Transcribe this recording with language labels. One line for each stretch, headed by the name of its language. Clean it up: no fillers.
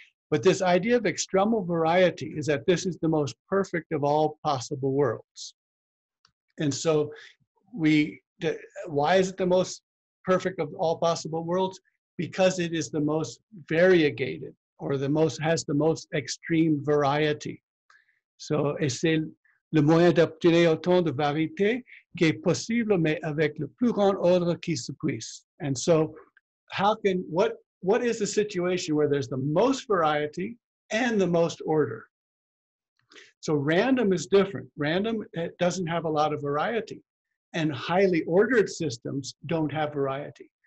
English: But this idea of extremal variety is that this is the most perfect of all possible worlds. Why is it the most perfect of all possible worlds? Because it is the most variegated, or has the most extreme variety. So
French: c'est le moyen d'obtenir autant de variété que possible, mais avec le plus grand ordre qui se puisse.
English: And so, what is the situation where there's the most variety and the most order? So random is different. Random doesn't have a lot of variety, and highly ordered systems don't have variety.